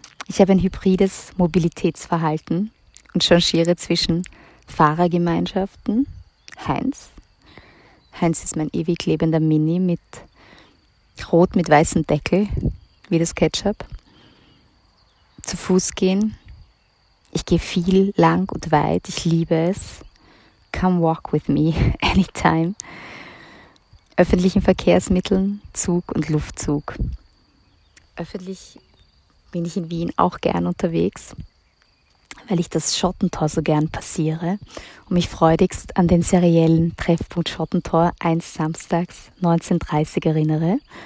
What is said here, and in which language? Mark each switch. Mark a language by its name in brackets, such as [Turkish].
[German] Ich habe ein hybrides Mobilitätsverhalten und changiere zwischen Fahrergemeinschaften, Heinz. Heinz ist mein ewig lebender Mini mit rot mit weißem Deckel, wie das Ketchup. Zu Fuß gehen. Ich gehe viel, lang und weit. Ich liebe es. [English] Come walk with me anytime. [German] Öffentlichen Verkehrsmitteln, Zug und Luftzug. Öffentlich bin ich in Wien auch gern unterwegs, weil ich das Schottentor so gern passiere und mich freudigst an den seriellen Treffpunkt Schottentor 1 samstags 19:30 erinnere.